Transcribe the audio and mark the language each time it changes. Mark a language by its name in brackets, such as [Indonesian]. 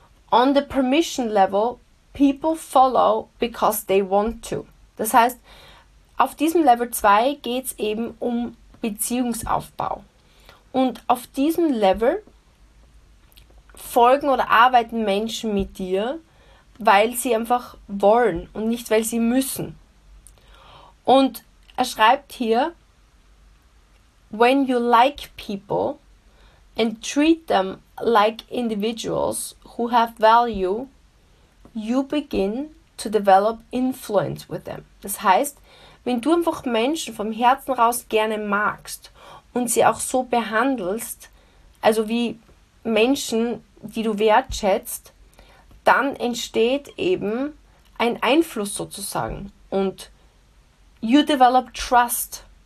[English] On the permission level, people follow because they want to. [German] Das heißt, auf diesem Level 2 geht es eben um Beziehungsaufbau. Und auf diesem Level folgen oder arbeiten Menschen mit dir, weil sie einfach wollen und nicht, weil sie müssen. Und er schreibt hier, [English] when you like people and treat them like individuals who have value, you begin to develop influence with them. [German] Das heißt, wenn du einfach Menschen vom Herzen raus gerne magst und sie auch so behandelst, also wie Menschen, die du wertschätzt, dann entsteht eben ein Einfluss sozusagen und [English] you develop trust.